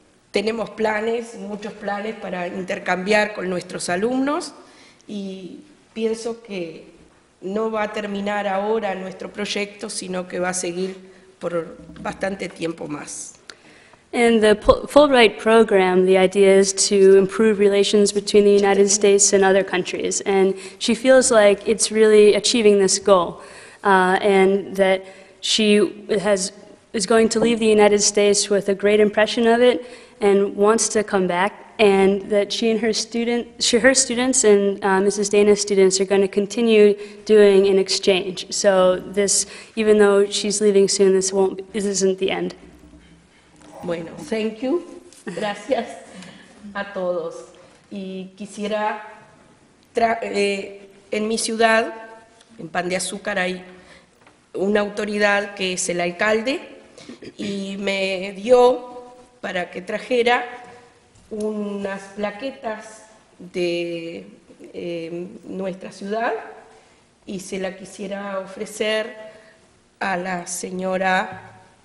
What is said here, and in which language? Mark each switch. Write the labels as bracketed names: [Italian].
[Spanish] tenemos planes, muchos planes para intercambiar con nuestros alumnos y pienso que no va a terminar ahora nuestro proyecto, sino que va a seguir por bastante tiempo más. [English] In the Fulbright program, the idea is to improve relations between the United States and other countries, and she feels like it's really achieving this goal, and that she is going to leave the United States with a great impression of it and wants to come back, and that she and her students and Mrs. Dana's students are going to continue doing an exchange. So this, even though she's leaving soon, this isn't the end. [Spanish] Bueno, [English] thank you. [Spanish] Gracias a todos. Y quisiera, en mi ciudad, en Pan de Azúcar, hay una autoridad que es el alcalde y me dio para que trajera unas plaquetas de nuestra ciudad y se la quisiera ofrecer a la señora